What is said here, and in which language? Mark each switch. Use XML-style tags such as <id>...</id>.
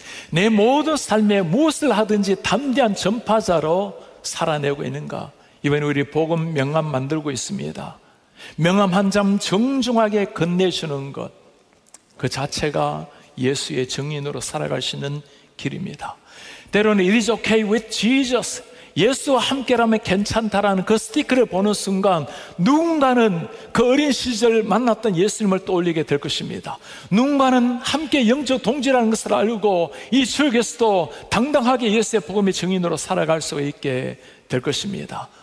<ko>내 모든 삶에 무엇을 하든지 담대한 전파자로 살아내고 있는가? 이번에 우리 복음 명함 만들고 있습니다. 명함 한 장 정중하게 건네주는 것, 그 자체가 예수의 증인으로 살아갈 수 있는 길입니다. 때로는</ko> <en>It is okay with Jesus.</en> <ko>예수와 함께라면 괜찮다라는 그 스티커를 보는 순간 누군가는 그 어린 시절 만났던 예수님을 떠올리게 될 것입니다. 누군가는 함께 영적 동지라는 것을 알고 이 주역에서도 당당하게 예수의 복음의 증인으로 살아갈 수 있게 될 것입니다.</ko>